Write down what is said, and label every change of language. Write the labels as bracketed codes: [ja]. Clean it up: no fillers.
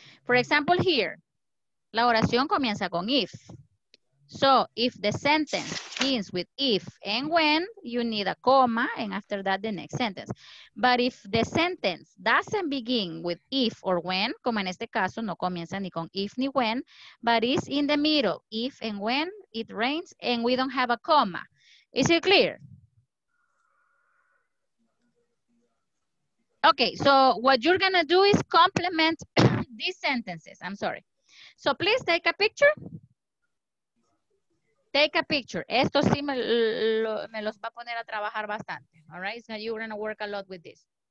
[en] For example, here, [es] la oración comienza con if. [en] So, if the sentence begins with if and when, you need a comma, and after that, the next sentence. But if the sentence doesn't begin with if or when, [es] como en este caso, no comienza ni con if ni when, [en] but is in the middle, if and when it rains, and we don't have a comma. Is it clear? Okay, so what you're gonna do is complement these sentences. I'm sorry. So please take a picture. Take a picture. [es] Esto sí me los va a poner a trabajar bastante. [en] All right, so you're gonna work a lot with this.